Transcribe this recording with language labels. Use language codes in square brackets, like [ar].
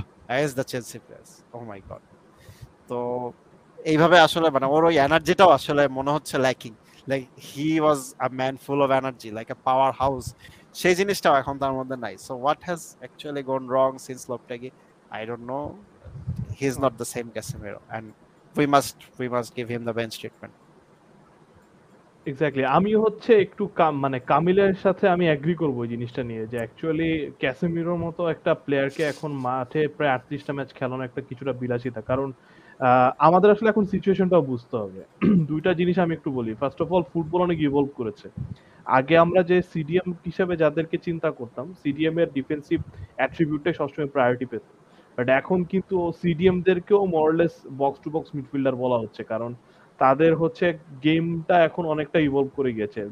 [en] has the Chelsea players oh my god, [bn] তো এইভাবে আসলে মানে ওর ওই এনার্জিটাও আসলে মনে হচ্ছে [en] lacking, like he was a man full of energy like a powerhouse [bn] shei jinish ta ekhon tar moddhe nai, [en] so what has actually gone wrong since Lopetegui I don't know, he is not the same Casemiro and we must give him the bench treatment. [bn] Exactly, ami hocche ektu kam mane Kamiler sathe ami agree korbo ei jinish ta niye je actually Casemiro moto ekta player ke ekhon mathe pray 38 ta match khelano ekta kichura bilashita karon আমাদের আসলে এখন সিচুয়েশনটাও বুঝতে হবে। দুইটা জিনিস আমি একটু বলি, ফার্স্ট অফ অল ফুটবল অনেক ইভলভ করেছে, আগে আমরা যে সিডিএম হিসেবে যাদেরকে চিন্তা করতাম সিডিএম এর ডিফেন্সিভ অ্যাট্রিবিউটটাই সবসময় প্রায়োরিটি পেত, বাট এখন কিন্তু CDM দেরকেও মোরলেস box to box midfielder বলা হচ্ছে কারণ তাদের হচ্ছে গেমটা এখন অনেকটা ইভলভ করে গিয়েছে।